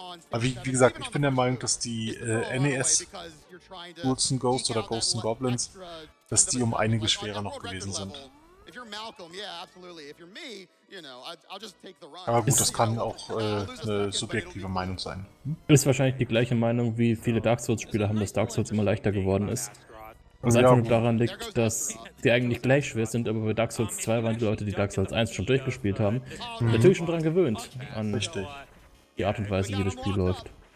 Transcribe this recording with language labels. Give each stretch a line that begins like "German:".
German: Aber wie gesagt, ich bin der Meinung, dass die NES Ghouls and Ghosts oder Ghosts and Goblins, dass die um einiges schwerer noch gewesen sind.
English: If you're Malcolm, yeah, absolutely. If you're me, you know, I'll just take the run.
German: Aber gut, das kann auch eine subjektive Meinung sein. Hm? Ist wahrscheinlich die gleiche Meinung, wie viele Dark Souls-Spieler haben, dass Dark Souls immer leichter geworden ist. Was einfach nur daran liegt, dass die eigentlich gleich schwer sind, aber bei Dark Souls 2 waren die Leute, die Dark Souls 1 schon durchgespielt haben, natürlich schon daran gewöhnt, an die Art und Weise, wie das Spiel läuft.